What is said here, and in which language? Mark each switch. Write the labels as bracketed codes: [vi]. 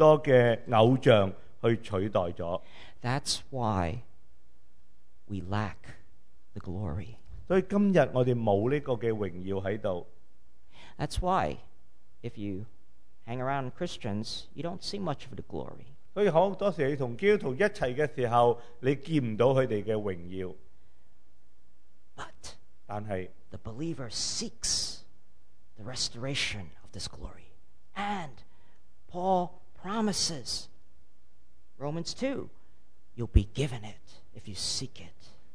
[zh] 但有一个问题,在这个罗马书第1章23节说,我们将他的荣耀用了很多的偶像去取代了。 [en] That's why we lack the glory. [zh] 所以今天我们没有这个荣耀在这里。 [en] That's why, if you hang around Christians, you don't see much of the glory. [zh] 所以很多时候你跟基督徒一起的时候,你见不到他们的荣耀。 [en] But [zh] 但是, [en] the believer seeks the restoration of this glory. And Paul promises, Romans 2, you'll be given it if you seek it.